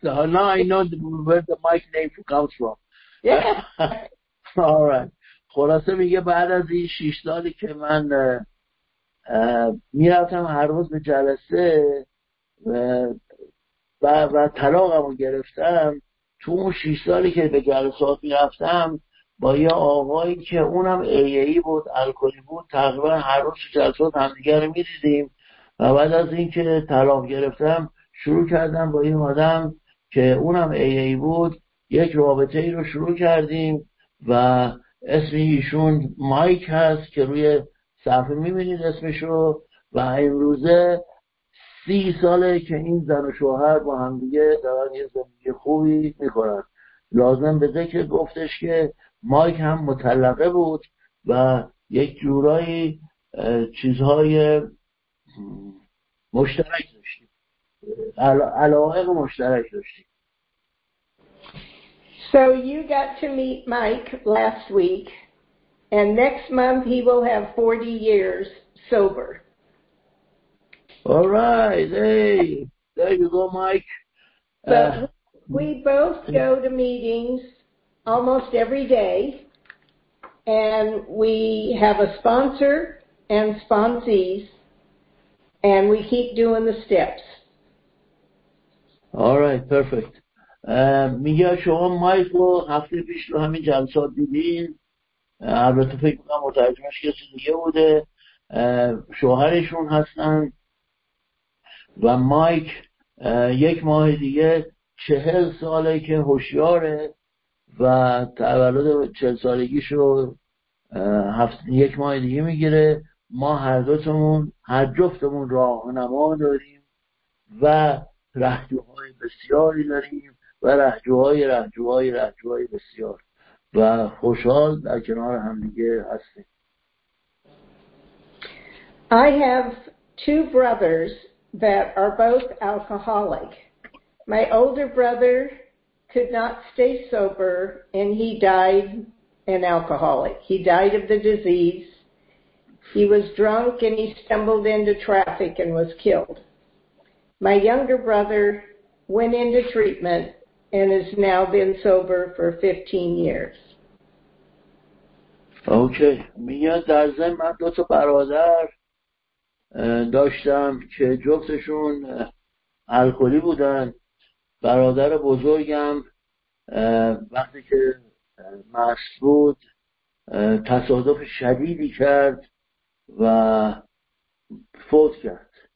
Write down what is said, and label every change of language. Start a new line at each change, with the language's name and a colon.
English: Now I know where the Mike name comes from. Yeah. All right.
Persian: خلاصه میگه بعد از این 6 سالی که من میرفتم هر روز به جلسه و طلاقمو گرفتم، تو اون 6 سالی که به جلسات میرفتم با یه آقایی که اونم ای بود، الکلی بود، تقریبا هر روز جلسات همدیگه رو میدیدیم و بعد از اینکه طلاق گرفتم شروع کردم با این آدم که اونم ای بود یک رابطه ای رو شروع کردیم و اسم ایشون مایک هست که روی صفحه میبینید اسمش رو و امروزه 30 ساله که این زن و شوهر با همدیگه دارن یه زندگی خوبی میکنن. لازم به ذکر گفتش که مایک هم مطلقه بود و یک جورایی چیزهای مشترک داشتیم، علاقه مشترک داشتیم.
English: So you got to meet Mike last week, and next month he will have 40 years sober. All right. Hey, there you go, Mike. But we both go to meetings almost every day, and we have a sponsor and sponsees, and we keep doing the steps. All right, perfect.
Persian: میگه شما مایک رو هفته پیش رو همین جلسات دیدین، البته فکر کنم مترجمش کسی دیگه بوده، شوهرشون هستن و مایک یک ماه دیگه 40 ساله که هوشیاره و تولد 40 سالگیش رو یک ماه دیگه میگیره. ما هر دوتمون، هر جفتمون راهنما داریم و رهجوهای بسیاری داریم و رهجوهای بسیار و خوشحال در کنار همدیگه هستیم.
English: I have two brothers that are both alcoholic. My older brother could not stay sober and he died an alcoholic. He died of the disease. He was drunk and he stumbled into traffic and was killed. My younger brother went into treatment and has now been sober for 15 years. Okay.
Persian: میگه در ضمن من دو تا برادر داشتم که جفتشون الکلی بودن. برادر بزرگم وقتی که مست بود تصادف شدیدی کرد و فوت کرد.